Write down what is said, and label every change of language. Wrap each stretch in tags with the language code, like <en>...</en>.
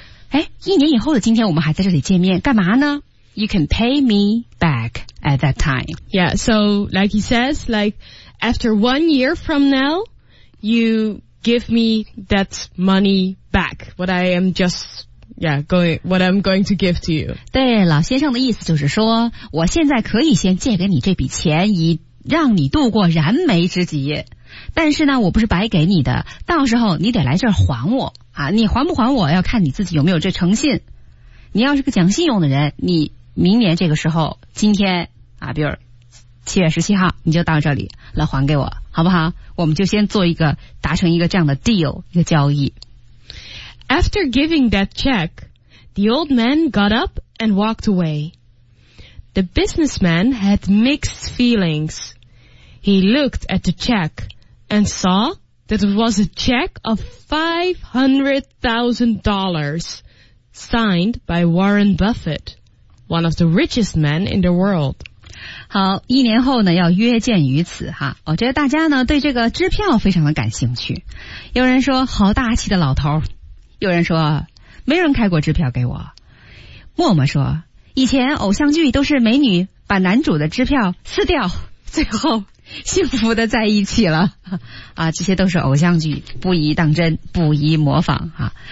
<zh>哎，一年以后的今天，我们还在这里见面，干嘛呢 ？</zh> <en>You can pay me back at that time. Yeah, so like he says, like after one year from now, you give me that money back. What I am just. What I'm going to give to you.</en> <zh>对，老先生的意思就是说，我现在可以先借给你这笔钱，以让你度过燃眉之急。但是呢，我不是白给你的，到时候你得来这儿还我啊！你还不还我，要看你自己有没有这诚信。你要是个讲信用的人，你明年这个时候，今天啊，比如7月17号，你就到这里来还给我，好不好？我们就先做一个达成一个这样的 deal， 一个交易。</zh> <en>After giving that check, the old man got up and walked away. The businessman had mixed feelings. He looked at the check and saw that it was a check of $500,000 signed by Warren Buffett, one of the richest men in the world.</en> <zh>好，一年后呢要约见于此哈。我觉得大家呢对这个支票非常的感兴趣。有人说好大气的老头，有人说没人开过支票给我。默默说以前偶像剧都是美女把男主的支票撕掉，最后幸福的在一起了啊，这些都是偶像剧，不宜当真，不宜模仿啊。</zh>